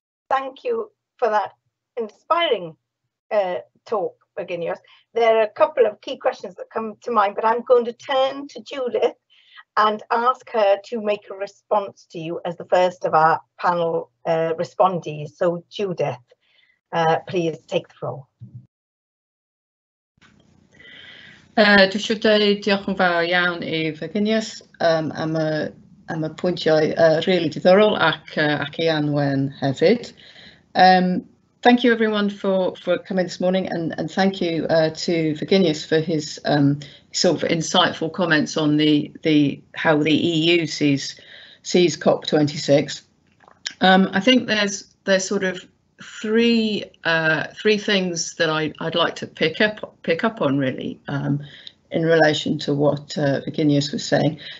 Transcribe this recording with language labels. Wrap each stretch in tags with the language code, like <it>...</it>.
<en>Thank you for that inspiring talk, Virginijus. There are a couple of key questions that come to mind, but I'm going to turn to Judith and ask her to make a response to you as the first of our panel respondees. So Judith, please take the floor.</en> <cy>Dwi'n siŵr dweud diolch yn fawr iawn i Virginijus am y pwyntiau really diddorol ac i Anwen hefyd.</cy> <en>Thank you everyone for coming this morning and thank you to Virginijus for his sort of insightful comments on the how the EU sees COP26. I think there's sort of three things that I'd like to pick up on, really, in relation to what Virginijus was saying.</en>